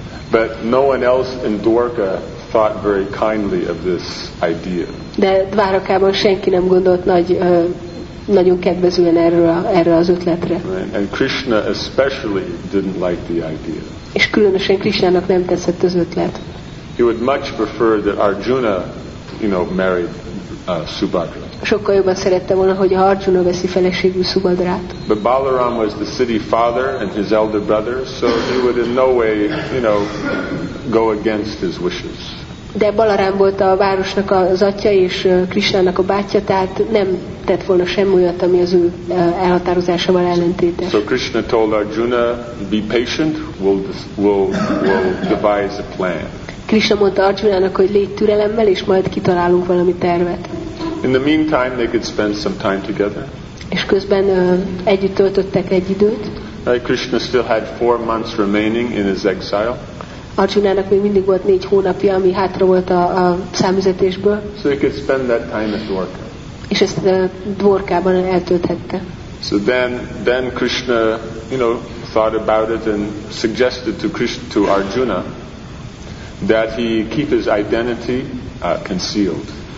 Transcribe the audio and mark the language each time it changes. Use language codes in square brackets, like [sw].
[en] But no one else in Dwarka thought very kindly of this idea. [hu] De Dvárakában senki nem gondolt nagyon kedvezően erről az ötletre. [en] Right. And Krishna especially didn't like the idea. [hu] És különösen Krishnának nem tetszett az ötlet. [en] He would much prefer that Arjuna, you know, married Subhadra. [hu] Sokkal jobban szerette volna, hogy Arjuna veszi feleségül Subhadrát. [en] But Balaram was the city father and his elder brother, so he would in no way, you know, go against his wishes. [hu] De Balaram volt a városnak az atya és Krishnának a bátyja, tehát nem tett volna semmi olyat, ami az ő elhatározásával ellentétes. [en] So Krishna told Arjuna, be patient, we'll devise a plan. [hu] Krishna mondta Arjunának, hogy légy türelemmel, és majd kitalálunk valami tervet. [en] In the meantime, they could spend some time together. [hu] És közben együtt töltöttek egy időt. [en] Krishna still had 4 months remaining in his exile. [hu] Arjunának még mindig volt 4 hónapja, ami hátra volt a számüzetésből. [en] So he could spend that time at Dwarka. [hu] És ezt Dvorkában eltölthette. [en] So then Krishna, you know, thought about it and suggested to Arjuna that he keep his identity concealed.